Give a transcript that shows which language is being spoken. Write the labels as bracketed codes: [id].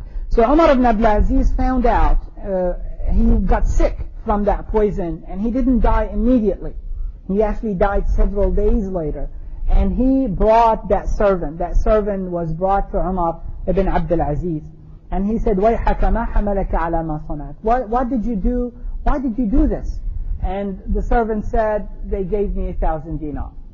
[en] So Umar ibn Abdul Aziz found out, he got sick from that poison, and he didn't die immediately. He actually died several days later. And he brought that servant. That servant was brought to Umar ibn Abdul Aziz. And he said, [ar] وَيْحَكَ مَا حَمَلَكَ عَلَى مَا صَنَعَتْ. [en] What did you do? Why did you do this? And the servant said, they gave me 1,000 dinar.